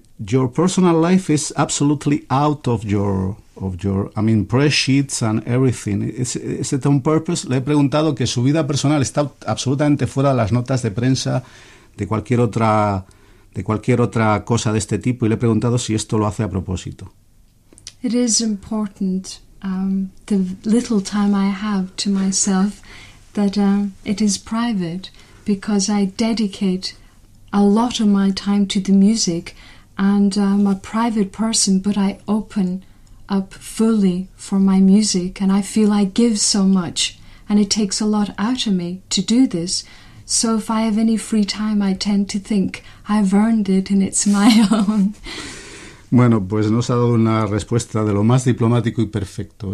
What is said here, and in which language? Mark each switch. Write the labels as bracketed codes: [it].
[en] Your personal life is absolutely out of your press sheets and everything. Is it on purpose? [es] Le he preguntado que su vida personal está absolutamente fuera de las notas de prensa de cualquier otra cosa de este tipo, y le he preguntado si esto lo hace a propósito. [en] It is important, the little time I have to myself, that it is private, because I dedicate a lot of my time to the music, and I'm a private person, but I open up fully for my music, and I feel I give so much, and it takes a lot out of me to do this. So if I have any free time, I tend to think I've earned it and it's my own. [es] Bueno, pues nos ha dado una respuesta de lo más diplomático y perfecto.